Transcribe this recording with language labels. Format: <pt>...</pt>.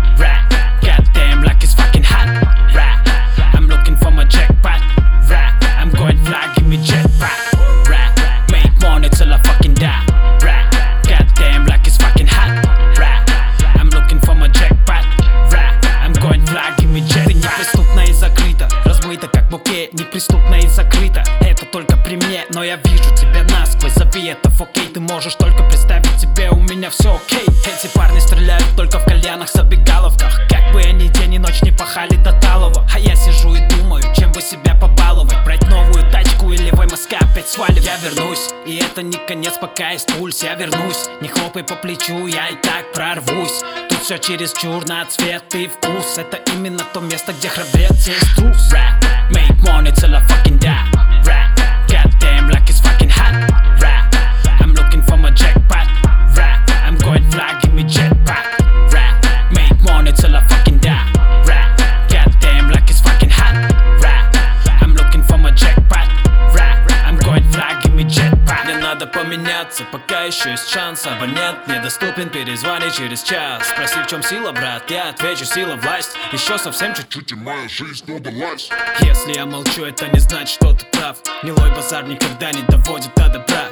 <en>Rap, goddamn, like it's fucking hot. Rap, I'm looking for my jackpot. Rap, I'm going fly, give me jetpack. Rap, make money till I fucking die. Rap, goddamn, like it's fucking hot. Rap, I'm looking for my jackpot. Rap, I'm going fly, give me jetpack.</en> <ru>Ты неприступна и закрыта, размыта как букет. Неприступна и закрыта, это только при мне. Но я вижу тебя насквозь, зови это в окей. Ты можешь только представить себе, у меня все окей. Эти парни стреляют только в кальянах, забегаловках. Как бы они день и ночь не пахали до талого. А я сижу и думаю, чем бы себя побаловать. Брать новую тачку или в Москве опять свалить. Я вернусь, и это не конец, пока есть пульс. Я вернусь, не хлопай по плечу, я и так прорвусь. Тут все чересчур на цвет и вкус. Это именно то место, где храбрец есть трус.</ru> <en>Rap, make money till I fucking die. Rap, goddamn, like it's fucking hot. Rap, I'm looking for my jackpot. Rap, I'm going fly, give me jetpack. Rap, make money till I fucking die. Rap, goddamn, like it's fucking hot. Rap, I'm looking for my jackpot. Rap, I'm going fly, give me jetpack.</en> <ru>Мне надо поменяться, пока еще есть шанс. Абонент недоступен, перезвони через час. Спроси, в чем сила, брат, я отвечу, сила, власть. Еще совсем чуть-чуть и моя жизнь удалась. Если я молчу, это не значит, что ты прав. Гнилой базар никогда не доводит до добра.</ru>